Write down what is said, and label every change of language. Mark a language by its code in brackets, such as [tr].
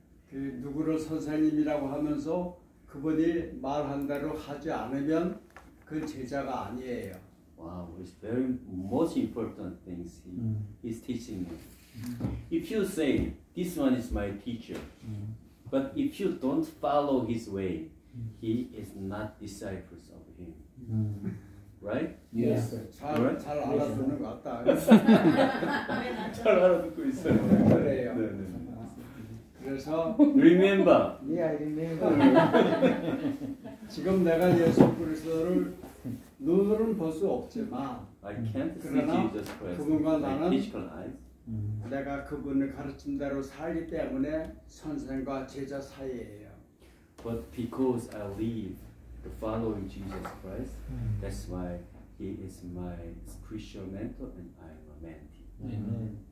[ko] 그 누구를 선생님이라고 하면서 그분이 말한 대로 하지 않으면 그 제자가 아니에요. [en] Wow, it's very most important things he is teaching me. If you say this one is my teacher, but if you don't follow his way, he is not disciples of him. Right? [ko] Yes. 잘 잘 알아듣는 것 같다. 잘 알아듣고 있어요. 그래요. 네, 네. 그래서 [en] remember. Yeah, I remember. [ko] 지금 내가 예수 그리스도를 눈으로는 볼 수 없지만 [en] I can't see [ko] 그러나 그분과 나는 [en] physical eyes. [ko] 내가 그분을 가르친 대로 살기 때문에 선생과 제자 사이에요. [en] But because I live the following Jesus Christ, that's why he is my spiritual mentor and I am a mentee.